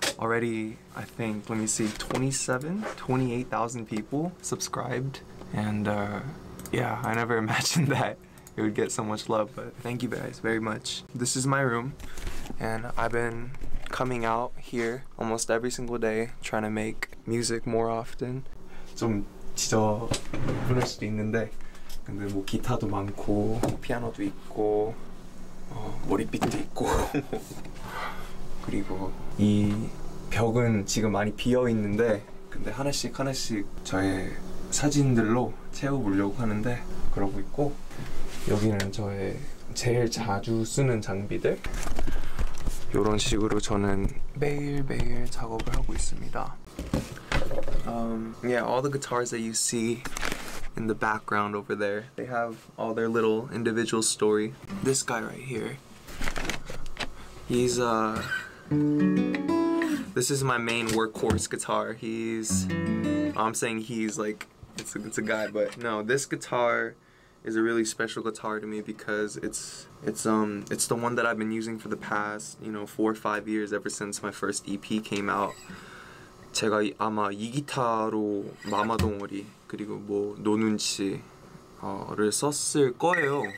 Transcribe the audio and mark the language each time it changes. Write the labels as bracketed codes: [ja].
[en] Already, I think, let me see, 28,000 people subscribed. And yeah, I never imagined that it would get so much love, but thank you guys very much. This is my room, and I've been coming out here almost every single day, trying to make music more often. [ko] 좀 지저 부를 수도 있는데 근데 뭐 기타도 많고 피아노도 있고 머리빗도 있고 그리고 이 벽은 지금 많이 비어 있는데 근데 하나씩 하나씩 저의 사진들로 채워보려고 하는데 그러고 있고 여기는 저의 제일 자주 쓰는 장비들 이런 식으로 저는 매일매일 작업을 하고 있습니다. [en] Yeah, all the guitars that you see in the background over there, they have all their little individual story. This guy right here, this is my main workhorse guitar. This guitar is a really special guitar to me because it's the one that I've been using for the past, you know, 4 or 5 years, ever since my first EP came out. [ko] 제가 아마 이 기타로 마마동어리 그리고 뭐 노눈치를 썼을 거예요.